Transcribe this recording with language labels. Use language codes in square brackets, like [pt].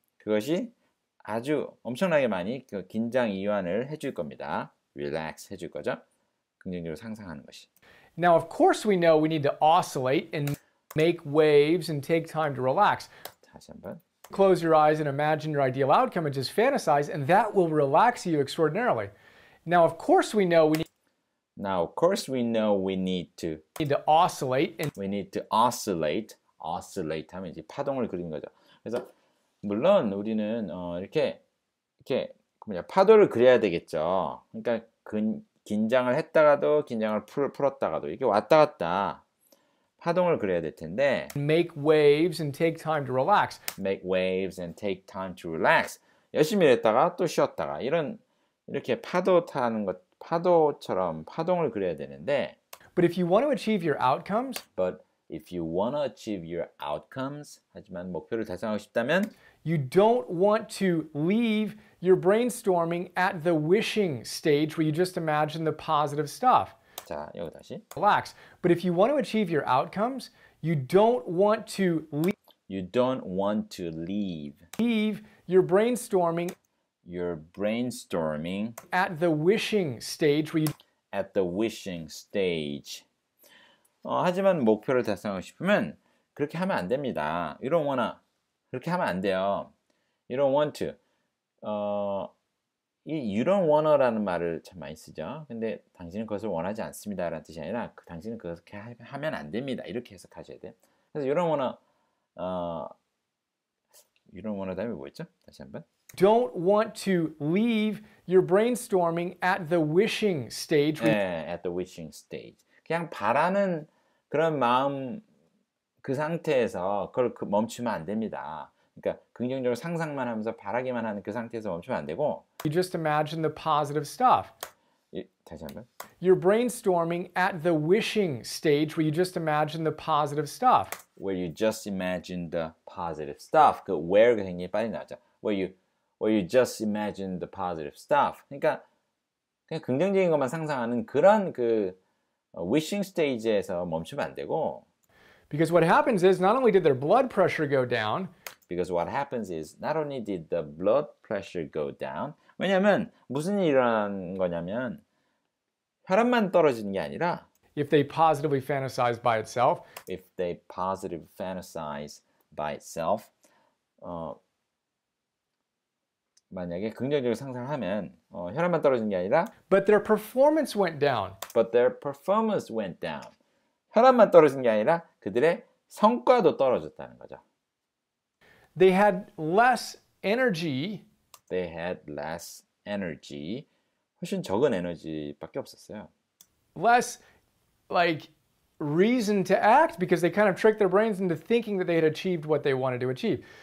[ko] 그것이 아주 엄청나게 많이 그 긴장 이완을 해줄 겁니다. Relax 해줄 거죠. 긍정적으로 상상하는 것이. [en] Now, of course, we know we need to oscillate and make waves and take time to relax. [ko] 다시 한번. [en] Close your eyes and imagine your ideal outcome and just fantasize, and that will relax you extraordinarily. Now, of course, we know we need. Now, of course, we know we need to. Need to oscillate and. We need to oscillate. Oscillate [ko] 하면 이제 파동을 그리는 거죠. 그래서 물론 우리는 이렇게 뭐냐 파도를 그려야 되겠죠. 그러니까 긴장을 했다가도 긴장을 풀었다가도 이렇게 왔다 갔다. 파동을 그려야 될 텐데. [en] Make waves and take time to relax. Make waves and take time to relax. [ko] 열심히 했다가 또 쉬었다가 이런 이렇게 파도 타는 것 파도처럼 파동을 그려야 되는데. [en] But if you want to achieve your outcomes. But if you want to achieve your outcomes. [ko] 하지만 목표를 달성하고 싶다면. [en] You don't want to leave your brainstorming at the wishing stage where you just imagine the positive stuff. [ko] 자, 여기 다시. [en] Relax. But if you want to achieve your outcomes, you don't want to leave. You don't want to leave. Leave your brainstorming. Your brainstorming. At the wishing stage where you. At the wishing stage. [ko] 하지만 목표를 달성하고 싶으면 그렇게 하면 안 됩니다. [en] You don't wanna. [ko] 그렇게 하면 안 돼요. [en] You don't want to. [ko] 이 [en] you don't wanna [ko] 라는 말을 참 많이 쓰죠. 근데 당신은 그것을 원하지 않습니다라는 뜻이 아니라 당신은 그렇게 하면 안 됩니다. 이렇게 해석하셔야 돼요. 그래서 [en] you don't wanna you don't wanna [ko] 다음에 뭐였죠? 다시 한번. [en] Don't want to leave your brainstorming at the wishing stage. 네, at the wishing stage. [ko] 그냥 바라는 그런 마음 그 상태에서 그걸 멈추면 안 됩니다. 그러니까 긍정적으로 상상만 하면서 바라기만 하는 그 상태에서 멈추면 안 되고 [en] You just imagine the positive stuff. [ko] 다시 한 번. [en] You're brainstorming at the wishing stage where you just imagine the positive stuff. Where you just imagine the positive stuff. [ko] 그 where가 굉장히 빨리 나왔죠. [en] Where you just imagine the positive stuff. [ko] 그러니까 그냥 긍정적인 것만 상상하는 그런 그 wishing stage에서 멈추면 안 되고. [en] Because what happens is not only did their blood pressure go down. Because what happens is not only did the blood pressure go down. [ko] 왜냐면 무슨 일이 일어난 거냐면 혈압만 떨어지는 게 아니라 [en] if they positively fantasize by itself, if they positively fantasize by itself, [ko] 만약에 긍정적으로 상상하면 혈압만 떨어지는 게 아니라 [en] but their performance went down. But their performance went down. [ko] 혈압만 떨어진 게 아니라 그들의 성과도 떨어졌다는 거죠. [en] They had less energy. They had less energy. [ko] 훨씬 적은 에너지밖에 없었어요. [en] Less, like, reason to act because they kind of tricked their brains into thinking that they had achieved what they wanted to achieve.